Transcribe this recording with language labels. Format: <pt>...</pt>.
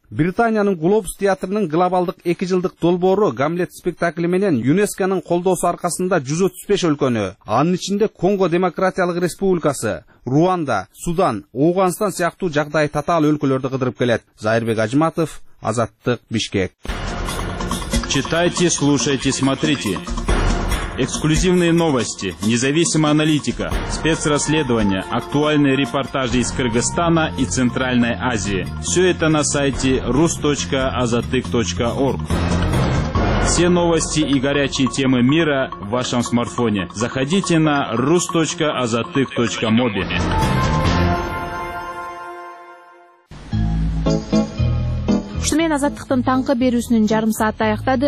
<ky>Британиянын Глобус театрынын глобалдык 2 жылдык долбоору Гамлет спектакли менен ЮНЕСКОнун колдоосу аркасында 135 өлкөнү, анын ичинде Конго Демократиялык Республикасы, Руанда, Судан, Ооганстан сыяктуу жагдайы татаал өлкөлөрдү кыдырып келет. Зайырбек Ажматов, Азаттык, Бишкек.</ky> <ru>Читайте, слушайте, смотрите. Эксклюзивные новости, независимая аналитика, спецрасследования, актуальные репортажи из Кыргызстана и Центральной Азии. Все это на сайте rus.azatyk.org. Все новости и горячие темы мира в вашем смартфоне. Заходите на rus.azatyk.mobi.</ru> <ky>Мен азаттыктын таңкы берүүсүнүн жарым сааты аяктады.</ky>